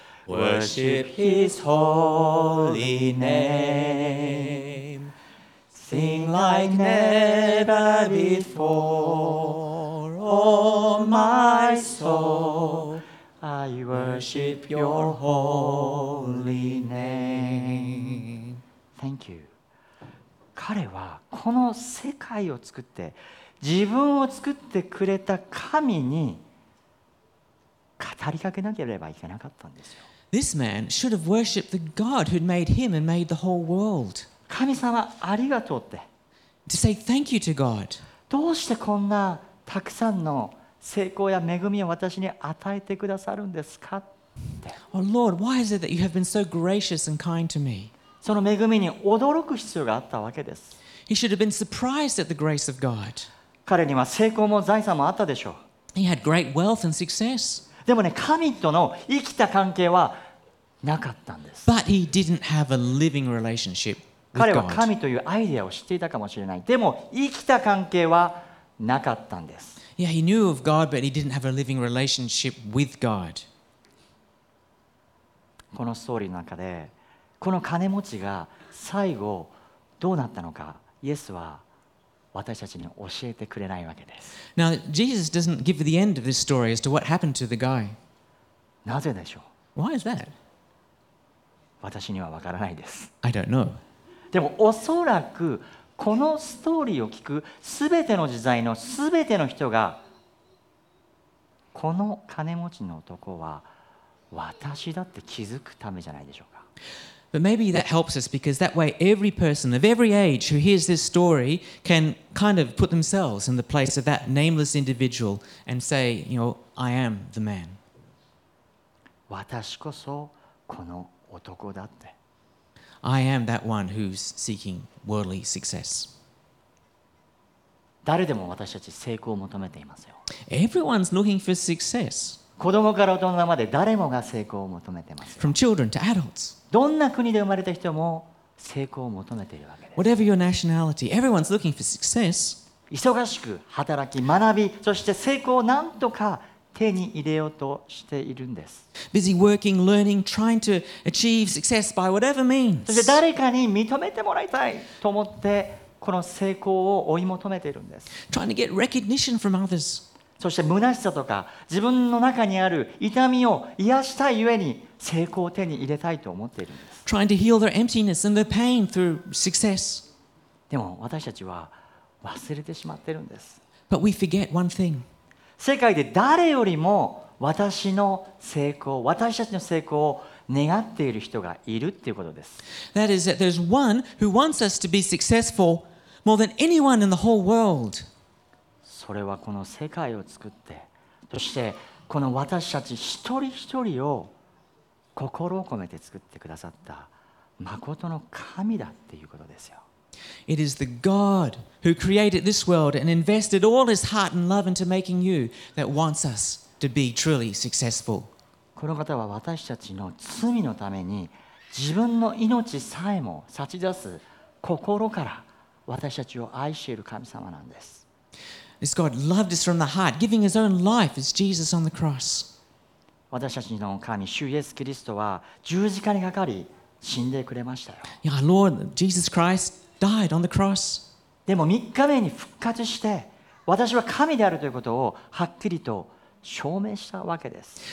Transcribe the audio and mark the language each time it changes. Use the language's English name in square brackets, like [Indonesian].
[English] Worship His holy name. Sing like never before, oh my soul. I worship Your holy name. Thank you. [Japanese] 彼はこの世界を作って自分を作ってくれた神に語りかけなければいけなかったんですよ。 [English] This man should have worshipped the God who'd made him and made the whole world. [Japanese] 神様ありがとうって。 [English] To say thank you to God. [Japanese] どうしてこんなたくさんの成功や恵みを私に与えてくださるんですかって。 [English] Oh Lord, why is it that you have been so gracious and kind to me? [Japanese] その恵みに驚く必要があったわけです。 [English] He should have been surprised at the grace of God. [Japanese] 彼には成功も財産もあったでしょう。 [English] He had great wealth and success. [Japanese] でもね、神との生きた関係はなかったんです。 [English] But he didn't have a living relationship with God. [Japanese] 彼は神というアイデアを知っていたかもしれない。でも生きた関係はなかったんです。 [English] Yeah, he knew of God, but he didn't have a living relationship with God. [Japanese] このストーリーの中でこの金持ちが最後どうなったのか、イエスは私たちに教えてくれないわけです。 [English] Now, Jesus doesn't give the end of this story as to what happened to the guy. [Japanese] なぜでしょう? [English] Why is that? [Japanese] 私にはわからないです。 [English] I don't know. [Japanese] でもおそらくこのストーリーを聞くすべての時代のすべての人がこの金持ちの男は私だって気づくためじゃないでしょうか。 [English] But maybe that helps us because that way every person of every age who hears this story can kind of put themselves in the place of that nameless individual and say, you know, I am the man. [Japanese] 私こそこの男だって。 [English] I am that one who's seeking worldly success. [Japanese] 誰でも私たち成功を求めていますよ。 [English] Everyone's looking for success. [Japanese] 子供から大人まで誰もが成功を求めてます。 [English] From children to adults. [Japanese] どんな国で生まれた人も成功を求めているわけです。 [English] Whatever your nationality, everyone's looking for success. [Japanese] 忙しく働き、学び、そして成功をなんとか手に入れようとしているんです。 [English] Busy working, learning, trying to achieve success by whatever means. [Japanese] そして誰かに認めてもらいたいと思ってこの成功を追い求めているんです。 [English] Trying to get recognition from others. [Japanese] そして虚しさとか自分の中にある痛みを癒したいゆえに成功を手に入れたいと思っているんです。 [English] Trying to heal their emptiness and their pain through success. [Japanese] でも私たちは忘れてしまっているんです。 [English] But we forget one thing. [Japanese] 世界で誰よりも私の成功、私たちの成功を願っている人がいるということです。 [English] That is that there's one who wants us to be successful more than anyone in the whole world. [Japanese] それはこの世界を作って、そしてこの私たち一人一人を心を込めて作ってくださった誠の神だっていうことですよ。 [English] It is the God who created this world and invested all his heart and love into making you that wants us to be truly successful. [Japanese] この方は私たちの罪のために自分の命さえも差し出す心から私たちを愛している神様なんです。 [English] This God loved us from the heart, giving His own life as Jesus on the cross. [Japanese] 私たちの神、主イエス・キリストは十字架にかかり死んでくれましたよ。 [English] Yeah, Lord, Jesus Christ died on the cross. [Japanese] でも3日目に復活して、私は神であるということをはっきりと証明したわけです。